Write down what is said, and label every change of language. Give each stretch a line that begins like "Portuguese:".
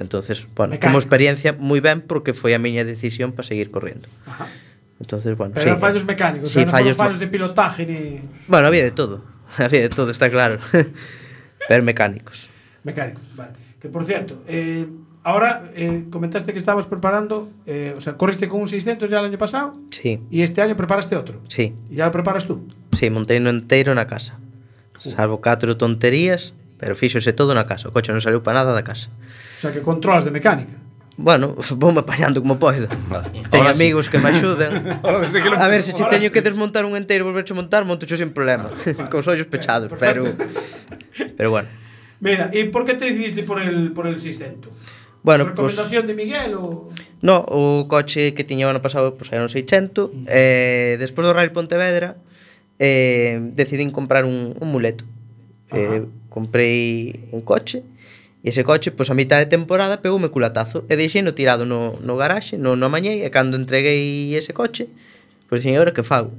Spanish: Entonces, bueno, como experiencia,
Galician: moi ben, porque foi a miña decisión para seguir correndo.
Spanish: Entonces, bueno, pero sí, eran fallos mecánicos, sí, o sea, fallos de pilotaje ni... Bueno, había de todo. Había de todo, está claro. Pero mecánicos. Mecánicos, vale. Que por cierto, ahora comentaste que estabas preparando, o sea, corriste con un 600 ya el año pasado. Sí. Y este año preparaste otro. Sí. ¿Y ya lo preparas tú? Sí, monté uno entero en la casa. Salvo cuatro tonterías,
Galician: pero fíxose todo
Spanish: en la casa. El coche no salió para nada de casa. O sea, que controlas de mecánica.
Galician: Bueno, voume apañando como poida. Teño amigos sí. que me axuden. A ver, se che teño que desmontar un entero e volverche a montar, monto xo
Spanish: sin problema.
Galician: Vale. Con os ollos pechados, pero bueno.
Spanish: Mira, e por que te decidiste por el 600? Bueno, recomendación pues, de Miguel o...
Galician: No, o coche que tiña o ano pasado, pois pues, era un 600. Despois do Rally Pontevedra, decidín comprar un muleto. Comprei un coche. E ese coche, pois, a mitad de temporada, pegoume culatazo. E deixei no tirado no garaxe, no amañei. E cando entreguei ese coche, pois, señora, que fago?